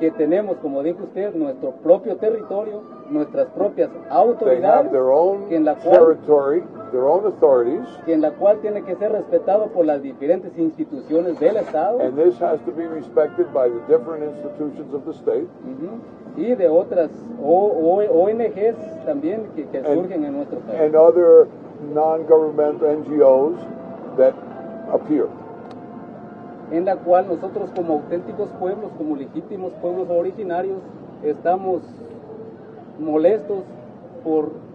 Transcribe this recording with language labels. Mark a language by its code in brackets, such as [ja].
[es] Que tenemos, como dijo usted, nuestro propio territorio, nuestras propias autoridades, que en la cual tiene que ser respetado por las diferentes instituciones del Estado, [en] and this has to be respected by the different institutions of the state, [es] uh-huh, y de otras ONGs también que surgen en nuestro país, [en] and other non-government NGOs that appear. [es] En la cual nosotros como auténticos pueblos, como legítimos pueblos originarios, estamos molestos por